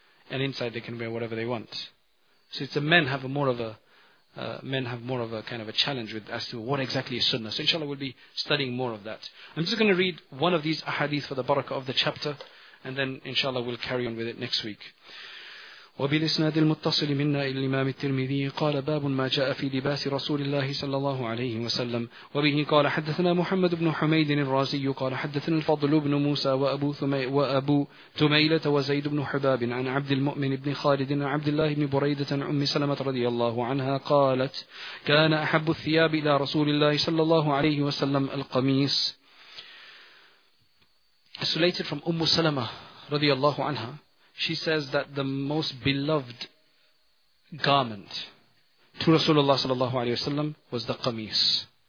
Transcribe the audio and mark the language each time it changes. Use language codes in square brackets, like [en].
[en] And inside they can wear whatever they want. So it's a men have a more of a, men have more of a kind of a challenge with as to what exactly is sunnah. So inshallah we'll be studying more of that. I'm just going to read one of these ahadith for the barakah of the chapter, and then inshallah we'll carry on with it next week. [ar] وبالإسناد المتصل منا إلى الإمام الترمذي قال باب ما جاء في لباس رسول الله صلى الله عليه وسلم وبه قال حدثنا محمد بن حميد الرازي قال حدثنا الفضل بن موسى وأبو تميلة وزيد بن حباب عن عبد المؤمن بن خالد عن عبد الله بن بريدة عن أم سلمة رضي الله عنها قالت كان أحب الثياب إلى رسول الله صلى الله عليه وسلم القميص. [en] It's related from أم سلمة [ar] رضي الله عنها. [en] She says that the most beloved garment to Rasulullah sallallahu alaihi wasallam was the qamis.